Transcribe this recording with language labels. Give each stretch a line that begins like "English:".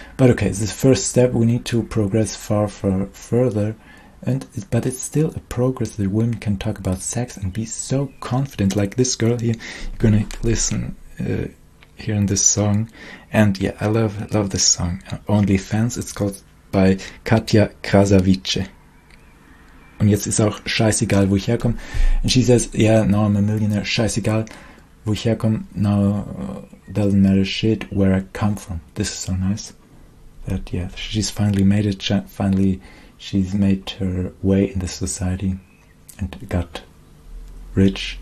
English: But okay, it's the first step, we need to progress far further, but it's still a progress that women can talk about sex and be so confident, like this girl here. You're gonna listen here in this song, and yeah, I love this song, OnlyFans. It's called by Katja Krasavice.
German: Und jetzt ist auch scheißegal, wo ich herkomme.
English: And she says, yeah, now I'm a millionaire,
German: scheißegal. Wo ich herkomme,
English: now doesn't matter shit where I come from. This is so nice. That, yeah, she's finally made it. Finally, she's made her way in the society and got rich.